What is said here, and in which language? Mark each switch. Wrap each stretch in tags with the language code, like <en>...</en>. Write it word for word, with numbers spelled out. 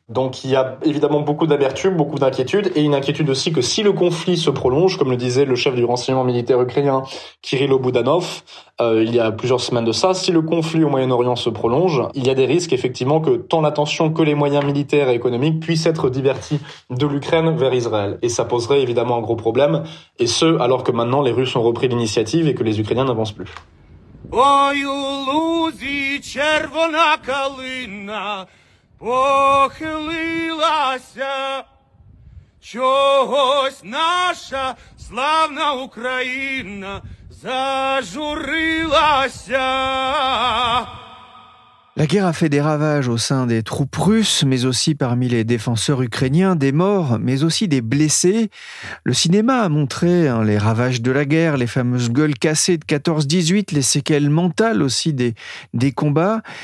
<fr>Donc il y a évidemment beaucoup d'amertume, beaucoup d'inquiétude, et une inquiétude aussi que si le conflit se prolonge, comme le disait le chef du renseignement militaire ukrainien Kirill Budanov, euh, il y a plusieurs semaines de ça, si le conflit au Moyen-Orient se prolonge, il y a des risques effectivement que tant l'attention que les moyens militaires et économiques puissent être divertis de l'Ukraine vers Israël. Et ça poserait évidemment un gros problème, et ce, alors que maintenant les Russes ont repris l'initiative et que les Ukrainiens n'avancent plus.</fr> <uk>Ой, у лузі червона калина похилилася, чогось наша славна Україна зажурилася.</uk> <fr>La guerre a fait des ravages au sein des troupes russes, mais aussi parmi les défenseurs ukrainiens, des morts, mais aussi des blessés. Le cinéma a montré hein, les ravages de la guerre, les fameuses gueules cassées de quatorze dix-huit, les séquelles mentales aussi des, des combats.</fr>